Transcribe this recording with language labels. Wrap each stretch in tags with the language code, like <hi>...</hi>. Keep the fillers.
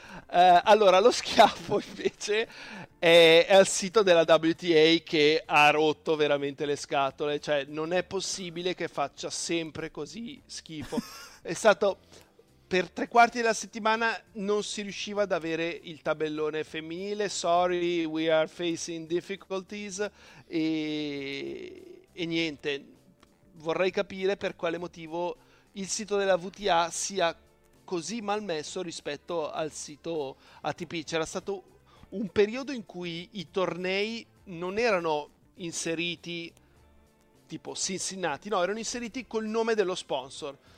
<it>Eh, allora, lo schiaffo invece è, è al sito della WTA che ha rotto veramente le scatole. Cioè, non è possibile che faccia sempre così schifo. È stato per tre quarti della settimana non si riusciva ad avere il tabellone femminile.</it> <en>Sorry, we are facing difficulties.</en> <it>E, e niente, vorrei capire per quale motivo il sito della VTA sia così malmesso rispetto al sito ATP. C'era stato un periodo in cui i tornei non erano inseriti tipo Cincinnati, no, erano inseriti col nome dello sponsor.</it>